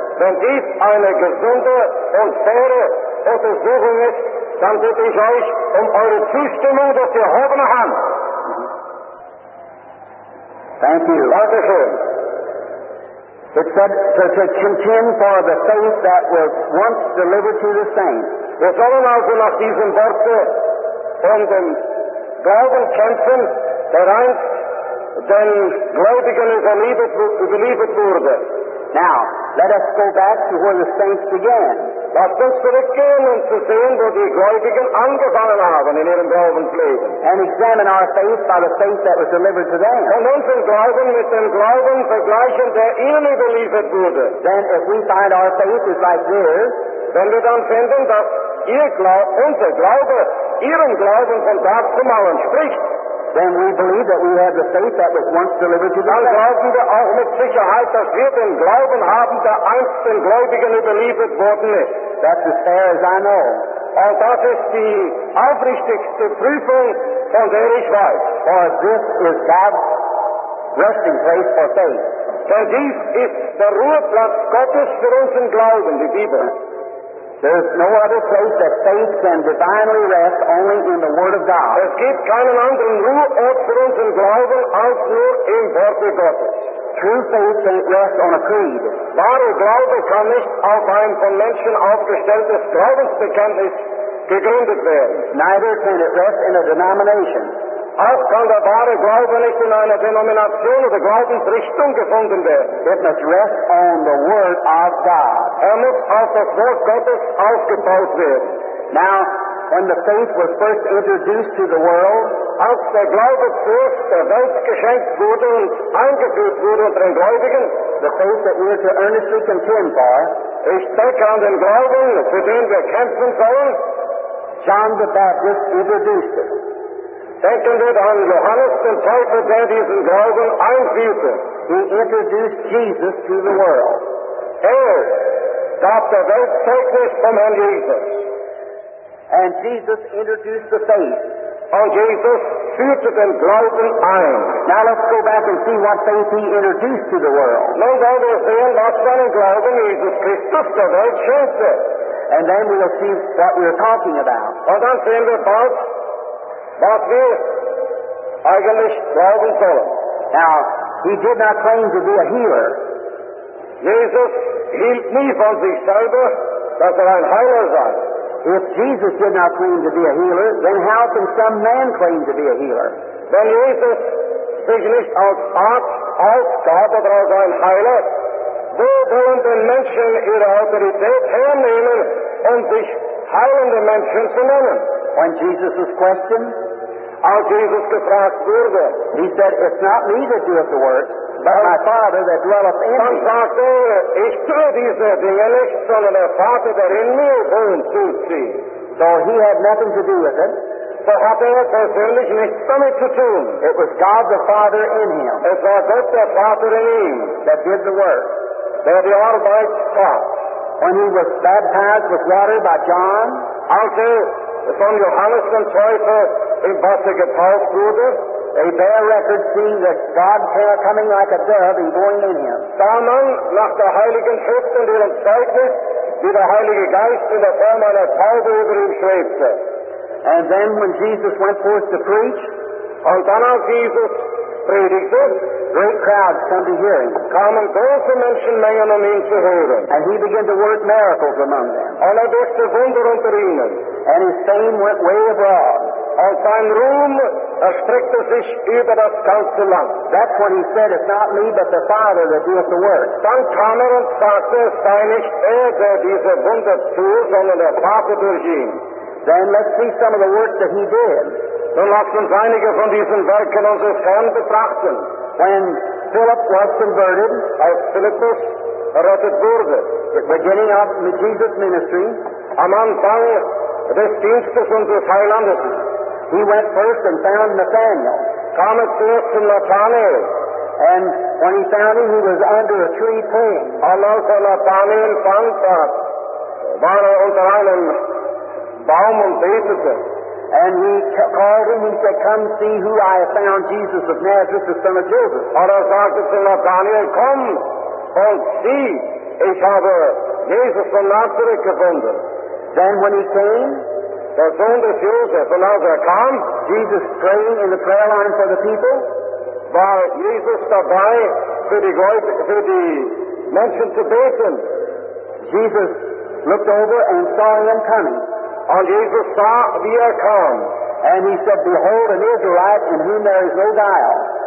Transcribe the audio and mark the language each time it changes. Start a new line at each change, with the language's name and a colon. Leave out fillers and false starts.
German: Wenn dies eine gesunde und faire Untersuchung ist, dann bitte ich euch eure Zustimmung, dass ihr erhobene Hand.
English: Thank you.
German: Danke schön.
English: It said to contend for the faith that was once delivered to the saints.
German: Wir sollen also nach diesem Worte von dem Glauben kämpfen, der einst den Gläubigen überliefert wurde.
English: Now, let us go back to where the saints began.
German: Lasst uns zurückgehen, um zu sehen, wo die Gläubigen angefangen haben in ihrem Glaubensleben.
English: And examine our faith by the faith that was delivered to them.
German: Und unseren Glauben mit dem Glauben vergleichen, der ihnen überliefert wurde.
English: Then, if we find our faith is like theirs,
German: wenn wir dann finden, dass unser Glaube ihrem Glauben von Tag zu Mal entspricht,
English: then we believe that we have the faith that was once delivered to the saints.
German: Dann glauben wir auch mit Sicherheit, dass wir den Glauben haben, der einst den Gläubigen überliefert worden ist.
English: That's as fair as I know.
German: Und das ist die aufrichtigste Prüfung, von der ich weiß.
English: For this is God's resting place for faith.
German: Denn dies ist der Ruheplatz Gottes für unseren Glauben, die Bibel.
English: There's no other place that faith can divinely rest only in the Word of God.
German: Es gibt keinen anderen Ruheort für unseren Glauben als nur im Wort Gottes.
English: True faith can't rest on a creed.
German: Wahre Glaube kann nicht auf ein von Menschen aufgestelltes Glaubensbekenntnis gegründet werden.
English: Neither can it rest in a denomination.
German: Auch kann der wahre Glaube nicht in einer Denomination oder Glaubensrichtung gefunden werden.
English: It must rest on the Word of God.
German: Er muss auf das Wort Gottes aufgebaut werden.
English: Now, when the faith was first introduced to the world,
German: als der Glaube zuerst der Welt geschenkt wurde und eingeführt wurde unter den Gläubigen,
English: the faith that we are to earnestly contend for,
German: ich denke an den Glauben, für den wir kämpfen sollen,
English: John the Baptist introduced it.
German: Denken wir an Johannes den Täufer, der diesen Glauben einführte.
English: He introduced Jesus to the world.
German: Er gab der Welt Zeugnis vom Herrn Jesus.
English: And Jesus introduced the faith.
German: Und Jesus führte den Glauben ein.
English: Now let's go back and see what faith he introduced to the world.
German: Nun wollen wir sehen, was für einen Glauben Jesus Christus der Welt schenkte.
English: And then we will see what we are talking about.
German: Und dann sehen wir bald, was wir eigentlich glauben sollen.
English: Now, he did not claim to be a healer.
German: Jesus hielt nie von sich selber, dass ein Heiler sei.
English: If Jesus did not claim to be a healer, then how can some man claim to be a healer?
German: Wenn Jesus sich nicht als Arzt, als Gott oder als ein Heiler, wo wollen denn Menschen ihre Autorität hernehmen, sich heilende Menschen zu nennen?
English: When Jesus was questioned,
German: als Jesus gefragt wurde,
English: he said, it's not me that doeth the works, but my Father that dwelleth in me.
German: Dann sagte er, ich tue diese Dinge nicht, sondern der Vater, der in mir wohnt, tut sie.
English: So he had nothing to do with it.
German: So hatte er persönlich nichts damit zu tun.
English: It was God the Father in him.
German: Es war Gott der Vater in ihm,
English: that did the work,
German: der die Arbeit tat.
English: When he was baptized with water by John,
German: also von Johannes dem Täufer im Wasser getauft wurde,
English: a bare record seeing that God's hair coming like a dove and going in him.
German: Dann nach der Heiligen Schrift und ihrem Zeugnis, wie der Heilige Geist in der Form einer Taube über ihm schwebte.
English: And then when Jesus went forth to preach,
German: und dann als Jesus predigte,
English: great crowds come to hear him.
German: Kamen große Menschenmengen, ihn zu hören.
English: And he began to work miracles among them.
German: Und wirkte Wunder unter ihnen.
English: And his fame went way abroad.
German: Und sein Ruhm erstreckte sich über das ganze Land.
English: That's when he said, it's not me, but the Father that doeth the work.
German: Dann kam und sagte, es sei nicht der diese Wunder tut, sondern der Vater durch ihn.
English: Then let's see some of the work that he did.
German: Nun lasst uns einige von diesen Werken unseres Herrn betrachten.
English: When Philip was converted,
German: als Philippus errettet wurde,
English: the beginning of Jesus' ministry,
German: am Anfang des Dienstes unseres Heilandes,
English: he went first and found Nathanael.
German: Kam es zuerst zu Nathanael.
English: And when he found him, he was under a tree praying.
German: Und als er Nathanael fand, war unter einem Baum und betete.
English: And he called him, he said, come see who I have found, Jesus of Nazareth, the son of Joseph.
German: Und er sagte zu Nathanael, komm und sieh, ich habe Jesus von Nazareth gefunden.
English: Then when he came,
German: der Sohn des Joseph, und als er kam,
English: Jesus praying in the prayer line for the people,
German: war Jesus dabei, für die
English: mentioned to Balaam. Jesus looked over and saw him coming. And Jesus saw the air come. And he said, behold, an Israelite in whom there is no guile.